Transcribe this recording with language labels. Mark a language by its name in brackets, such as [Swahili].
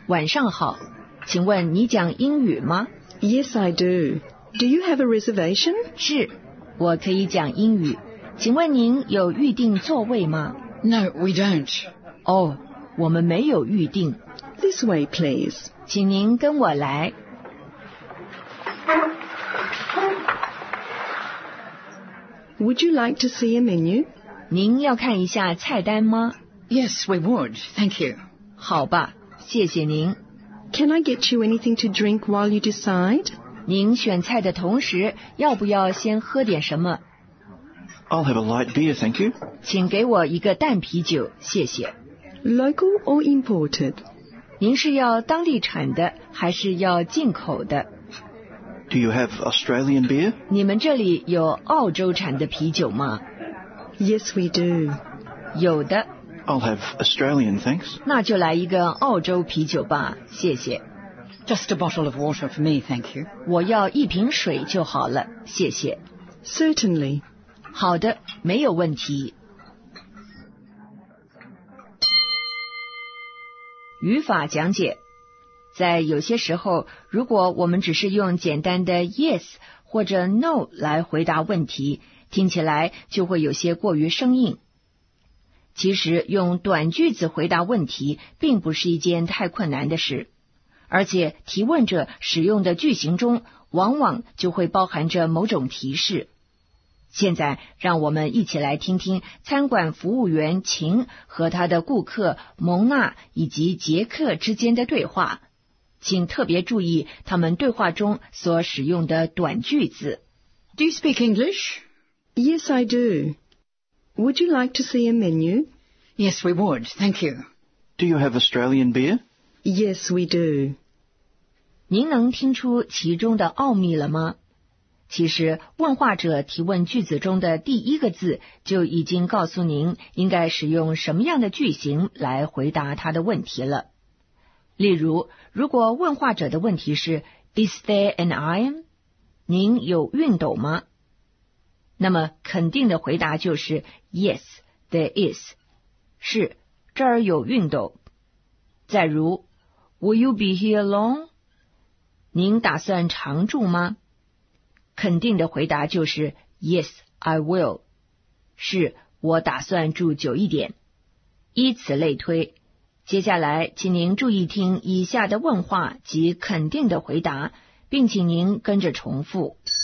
[Chinese] 晚上好，请问你讲英语吗？ [English] Yes, I do. Do you have a reservation? [Chinese] 是，我可以讲英语。请问您有预定座位吗？ [English] No, we don't. [Chinese] 哦，我们没有预定。 [English] This way, please. [Chinese] 请您跟我来。 [English] Would you like to see a menu? [Chinese] 您要看一下菜单吗? [English] Yes, we would. Thank you. [Chinese] 好吧，谢谢您。 [English] Can I get you anything to drink while you decide? [Chinese] 您选菜的同时，要不要先喝点什么? [English] I'll have a light beer, thank you. [Chinese] 请给我一个淡啤酒，谢谢。 [English] Local or imported? [Chinese] 您是要当地产的，还是要进口的? [English] Do you have Australian beer? [Chinese] 你们这里有澳洲产的啤酒吗? [English] Yes, we do. [Chinese] 有的。 [English] I'll have Australian, thanks. [Chinese] 那就来一个澳洲啤酒吧，谢谢。 [English] Just a bottle of water for me, thank you. [Chinese] 我要一瓶水就好了，谢谢。 [English] Certainly. [Chinese] 好的，没有问题。语法讲解。在有些时候，如果我们只是用简单的 yes 或者 no 来回答问题，听起来就会有些过于生硬。其实用短句子回答问题并不是一件太困难的事，而且提问者使用的句型中往往就会包含着某种提示。现在让我们一起来听听餐馆服务员秦和他的顾客蒙娜以及杰克之间的对话，请特别注意他们对话中所使用的短句子。 [English] Do you speak English? Yes, I do. Would you like to see a menu? Yes, we would. Thank you. Do you have Australian beer? Yes, we do. [Chinese] 您能听出其中的奥秘了吗？其实问话者提问句子中的第一个字就已经告诉您应该使用什么样的句型来回答他的问题了。例如，如果问话者的问题是 [English] Is there an iron? [Chinese] 您有熨斗吗？那么肯定的回答就是 [English] Yes, there is. [Chinese] 是，这儿有熨斗。再如 [English] Will you be here long? [Chinese] 您打算常住吗？肯定的回答就是 [English] Yes, I will. [Chinese] 是，我打算住久一点。依此类推。接下来请您注意听以下的问话及肯定的回答，并请您跟着重复。